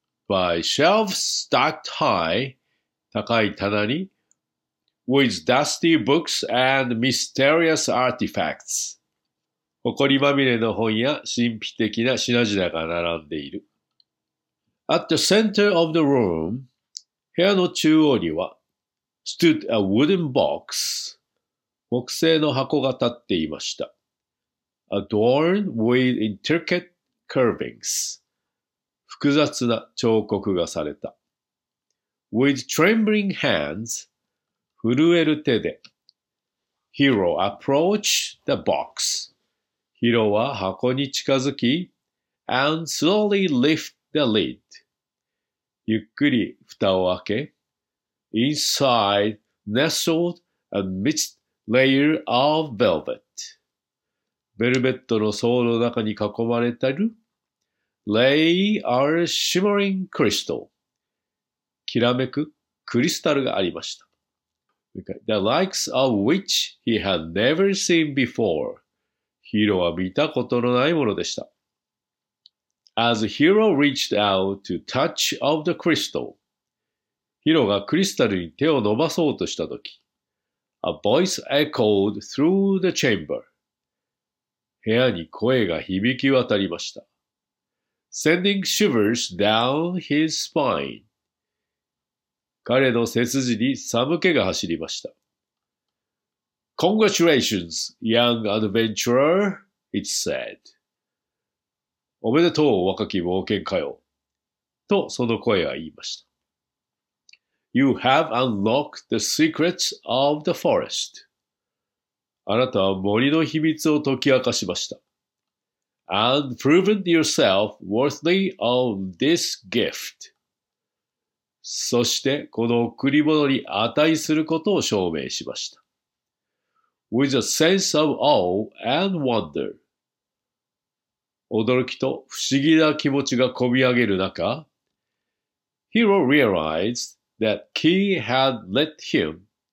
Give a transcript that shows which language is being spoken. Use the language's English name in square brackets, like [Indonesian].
[English] by shelves stocked high, [Japanese] 高い棚に、 [English] with dusty books and mysterious artifacts. [Japanese] ほこりまみれの本や神秘的な品々が並んでいる。 [English] At the center of the room, [Japanese] 部屋の中央には、 [English] stood a wooden box, [Japanese] 木製の箱が立っていました。 [English] Adorned with intricate carvings, [Japanese] 複雑な彫刻がされた。 [English] With trembling hands, [Japanese] 震える手で、 [English] Hiro approached the box. [Japanese] ヒロは箱に近づき、 [English] and slowly lift the lid. [Japanese] ゆっくり蓋を開け、 [English] inside nestled amidst layer of velvet. [Japanese] ベルベットの層の中に囲まれてる、 [English] lay a shimmering crystal. [Japanese] きらめくクリスタルがありました。 [English] The likes of which he had never seen before. [Japanese] ヒロは見たことのないものでした。 [English] As Hiro reached out to touch of the crystal, [Japanese] ヒロがクリスタルに手を伸ばそうとしたとき、 [English] A voice echoed through the chamber. [Japanese] 部屋に声が響き渡りました。 [English] Sending shivers down his spine. [Japanese] 彼の背筋に寒気が走りました。 [English] Congratulations, young adventurer, it said. [Japanese] おめでとう、若き冒険家よ。と、その声は言いました。 [English] You have unlocked the secrets of the forest. [Japanese] あなたは森の秘密を解き明かしました。 [English] And proven yourself worthy of this gift. [Japanese] そして、この贈り物に値することを証明しました。 [English] With a sense of awe and wonder. [Japanese] 驚きと不思議な気持ちが込み上げる中、 [English] Hiro realized that key had led him.